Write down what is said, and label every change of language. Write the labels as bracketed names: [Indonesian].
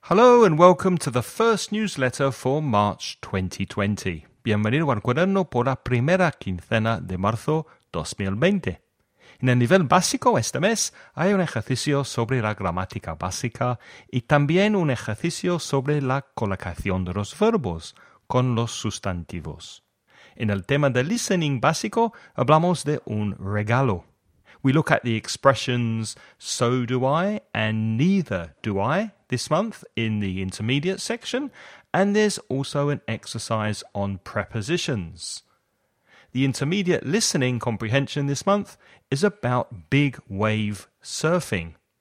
[English] Hello and welcome to the first newsletter for March 2020. [Spanish] Bienvenido al cuaderno por la primera quincena de marzo 2020. En el nivel básico este mes hay un ejercicio sobre la gramática básica y también un ejercicio sobre la colocación de los verbos con los sustantivos. En el tema de listening básico hablamos de un regalo. [English] We look at the expressions so do I and neither do I this month in the intermediate section, and there's also an exercise on prepositions. The intermediate listening comprehension this month is about big wave surfing.